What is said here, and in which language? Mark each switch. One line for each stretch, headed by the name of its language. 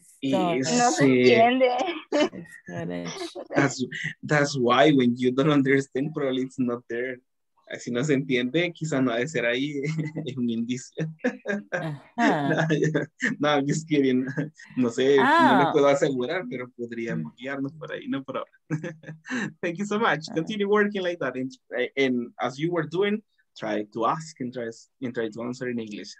English: That's why when you don't understand, probably it's not there.
Spanish: Si no se entiende, quizá no ha de ser ahí un indicio.
English: Uh-huh. No, I'm just kidding.
Spanish: No sé, no me puedo asegurar, pero podríamos guiarnos por ahí,
English: no problem. Thank you so much. Uh-huh. Continue working like that. And as you were doing, try to ask and try to answer in English.